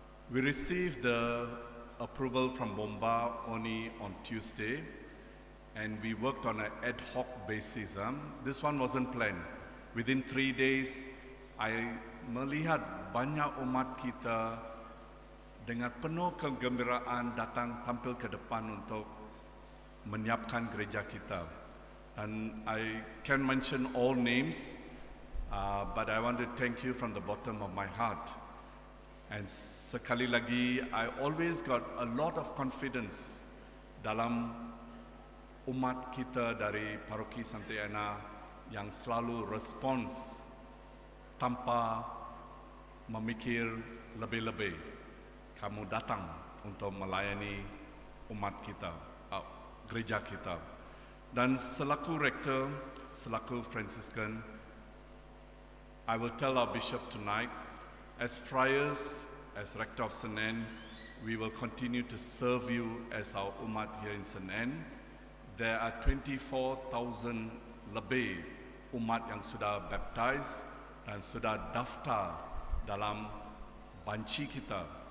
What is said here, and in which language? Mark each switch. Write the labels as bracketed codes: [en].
[en] We received the approval from Bomba only on Tuesday, and we worked on an ad hoc basis. This one wasn't planned. Within 3 days, I [ms] melihat banyak umat kita dengan penuh kegembiraan datang tampil ke depan untuk menyiapkan gereja kita. [en] And I can't mention all names, but I want to thank you from the bottom of my heart. [ms] And sekali lagi, [en] I always got a lot of confidence [ms] dalam umat kita dari Paroki Santa Ana yang selalu respons tanpa memikir lebih-lebih. Kamu datang untuk melayani umat kita, gereja kita. Dan selaku rektor, selaku Franciscan, [en] I will tell our bishop tonight, as friars, as rector of St. Anne, we will continue to serve you as our umat here in St. Anne. There are 24,000 [ms] lebih umat yang sudah baptized dan sudah daftar dalam banci kita.